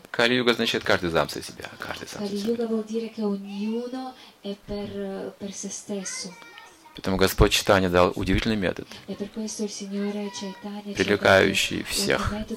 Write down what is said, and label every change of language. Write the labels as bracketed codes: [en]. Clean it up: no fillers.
[ru] Kali Yuga значит каждый сам за себя, каждый сам. [it] Kali Yuga vuol dire che ognuno è per se stesso. [ru] Поэтому Господь Чайтанья дал удивительный метод, привлекающий всех.